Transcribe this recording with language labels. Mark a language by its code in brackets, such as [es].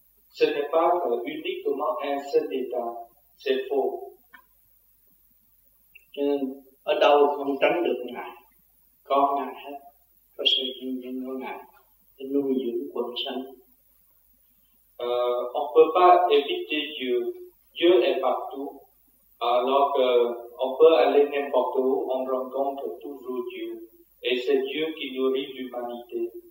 [fr] Ce n'est pas uniquement un seul état, c'est faux. [vi] Ở đâu không tránh được Ngài, có Ngài hết, có sự hiện diện của Ngài để nuôi dưỡng quần sanh. [fr] On peut pas éviter Dieu, Dieu est partout. Alors qu'on peut aller n'importe où, on rencontre toujours Dieu. Et c'est Dieu qui nourrit l'humanité.